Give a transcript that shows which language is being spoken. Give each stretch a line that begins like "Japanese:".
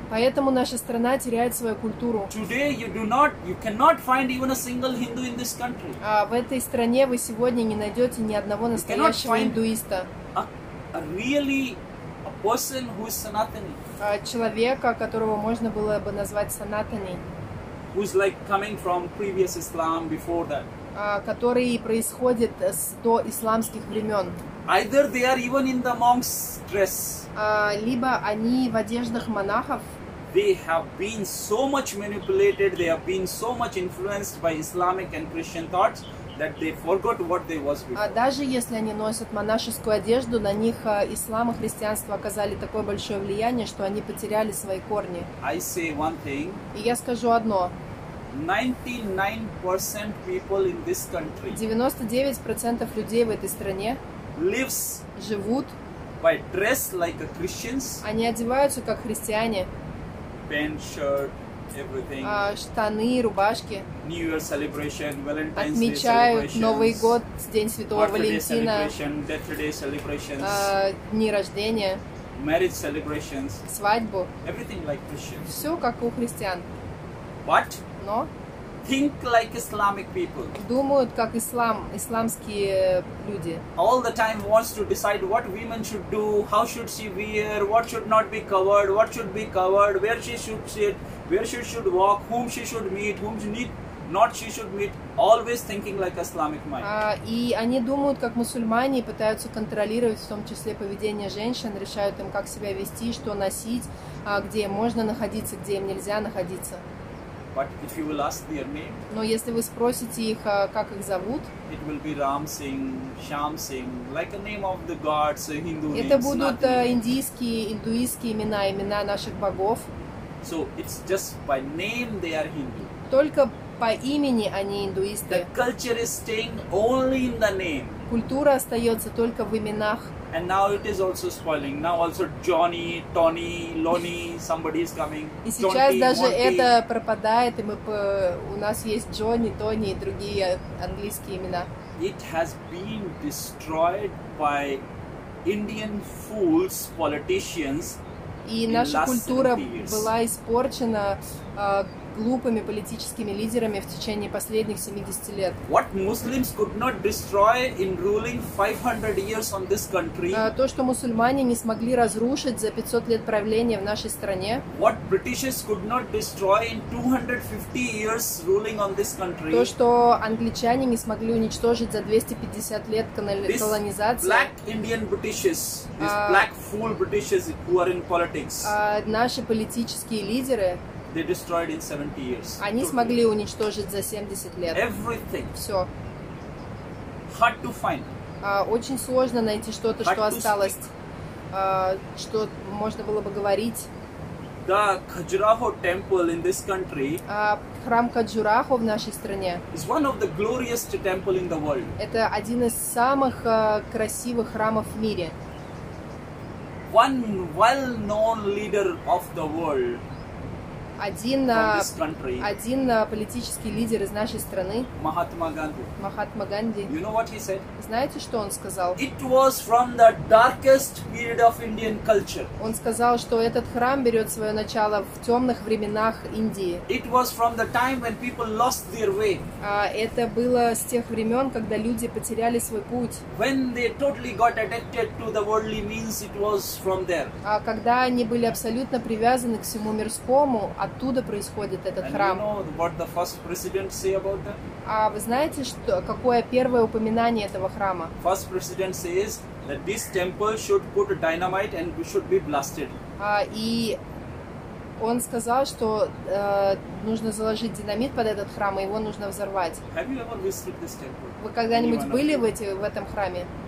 Russian: Поэтому наша страна теряет свою культуру.
English: Today you cannot find even a single Hindu in this country.
Russian: А в этой стране вы сегодня не найдете ни одного настоящего индуиста.
English: A really a person who is Sanatani.
Russian: Человека, которого можно было бы назвать Санатани.
English: Who's like coming from previous Islam before that.
Russian: Который происходит с до исламских времен.
English: Either they are even in the monk's dress.
Russian: Либо они в одеждах монахов.
English: They have been so much manipulated, they have been so much influenced by Islamic and Christian thoughts that they forgot what they was before.
Russian: Даже если они носят монашескую одежду, на них ислам и христианство оказали такое большое влияние, что они потеряли свои корни.
English: I say one thing.
Russian: И я скажу одно.
English: 99% people in this country.
Russian: 99% людей в этой стране
English: lives
Russian: живут
English: by dress like a Christians.
Russian: Они одеваются как христиане.
English: Pant shirt. Everything.
Russian: Штаны, рубашки.
English: New Year celebration, Valentine's Day
Russian: отмечают Новый год, День Святого Валентина.
English: Death Day celebrations.
Russian: Дни рождения.
English: Marriage celebrations.
Russian: Свадьбу.
English: Everything like Christians.
Russian: Все как у христиан.
English: But.
Russian: Но.
English: Think like Islamic people.
Russian: Думают как ислам, исламские люди.
English: All the time wants to decide what women should do, how should she wear, what should not be covered, what should be covered, where she should sit. Where she should walk, whom she should meet, whom she need not she should meet, always thinking like Islamic mind.
Russian: И они думают, как мусульмане, пытаются контролировать в том числе поведение женщин, решают им, как себя вести, что носить, где можно находиться, где им нельзя находиться.
English: But if you will ask their name,
Russian: но если вы спросите их, как их зовут,
English: it will be Ram Singh, Sham Singh, like a name of the gods, Hindu
Russian: это
English: names.
Russian: Это будут индийские, индуистские имена, имена наших богов.
English: So it's just by name they are Hindu.
Russian: Только по имени они индуисты.
English: The culture is staying only in the name.
Russian: Культура остается только в именах.
English: And now it is also spoiling. Now also Johnny, Tony, Lonnie, somebody is coming.
Russian: И сейчас Johnny, даже Monty. Это пропадает, и у нас есть Джонни, Тони и другие английские имена.
English: It has been destroyed by Indian fools, politicians.
Russian: И наша культура была испорчена глупыми политическими лидерами в течение последних 70 лет.
English: What Muslims could not destroy in ruling 500 years on this country.
Russian: То, что мусульмане не смогли разрушить за 500 лет правления в нашей стране.
English: What Britishers could not destroy in 250 years ruling on this country.
Russian: То, что англичане не смогли уничтожить за 250 лет колонизации.
English: Black Indian Britishers, black fool Britishers who are in politics.
Russian: Наши политические лидеры.
English: They destroyed in 70 years.
Russian: Они смогли уничтожить за 70 лет.
English: Everything.
Russian: Все.
English: Hard to find.
Russian: Очень сложно найти что-то,
English: hard
Russian: что осталось, что можно было бы говорить.
English: The Khajuraho temple in this country.
Russian: Храм Khajuraho в нашей стране.
English: Is one of the glorious temple in the world.
Russian: Это один из самых красивых храмов в мире.
English: One well-known leader of the world.
Russian: Один политический лидер из нашей страны. Махатма Ганди. Махатма Ганди.
English: You know what he said?
Russian: Знаете, что он сказал?
English: It was from the darkest period of Indian culture.
Russian: Он сказал, что этот храм берет свое начало в темных временах Индии.
English: It was from the time when people lost their way.
Russian: Это было с тех времен, когда люди потеряли свой путь.
English: When they totally got addicted to the worldly means, it was from there.
Russian: Когда они были абсолютно привязаны к всему мирскому, оттуда происходит этот храм.
English: You know what the first president say about that?
Russian: Вы знаете, что какое первое упоминание этого храма?
English: First president says that this temple should put dynamite and should be blasted.
Russian: И он сказал, что нужно заложить динамит под этот храм, и его нужно взорвать.
English: Have you ever visited this temple?
Russian: Вы когда-нибудь были в этом храме?